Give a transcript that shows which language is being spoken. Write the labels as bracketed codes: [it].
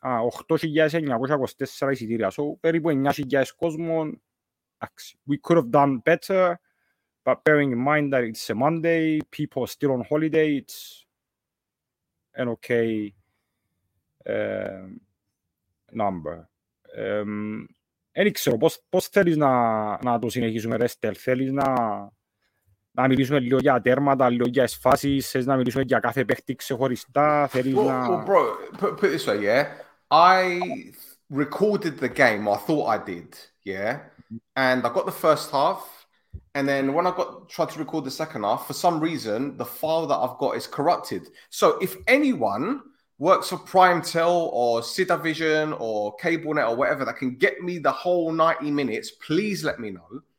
[el] 8,924 εισιτήρια. So, περίπου 9,000 κόσμων. [en] We could have done better, but bearing in mind that it's a Monday, people are still on holiday, it's an okay number. [el] Δεν ξέρω, πώς θέλεις να το συνεχίσουμε, Ρέστελ. Θέλεις να μιλήσουμε λίγο για τέρματα, λίγο για εσφάσεις, θέλεις να μιλήσουμε για κάθε παίχτη ξεχωριστά, θέλεις [en] well, [el] να... [en] Well, bro, put this way, yeah? I recorded the game, I thought I did, yeah? And I got the first half, and then when I tried to record the second half, for some reason, the file that I've got is corrupted. So if anyone works for PrimeTel or CidaVision or CableNet or whatever that can get me the whole 90 minutes, please let me know.